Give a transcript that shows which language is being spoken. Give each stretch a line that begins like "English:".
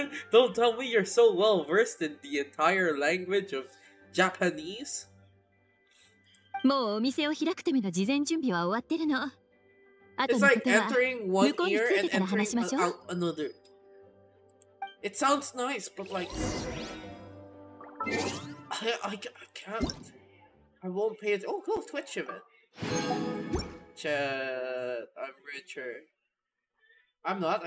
English: Don't tell me you're so well versed in the entire language of Japanese.
Japanese: もうお店を開くための事前準備は終わってるの。
English: It's like entering one ear and entering out another. It sounds nice, but like... I can't... I won't pay it... Oh, cool, Twitch event. Chat, I'm Richard. I'm not.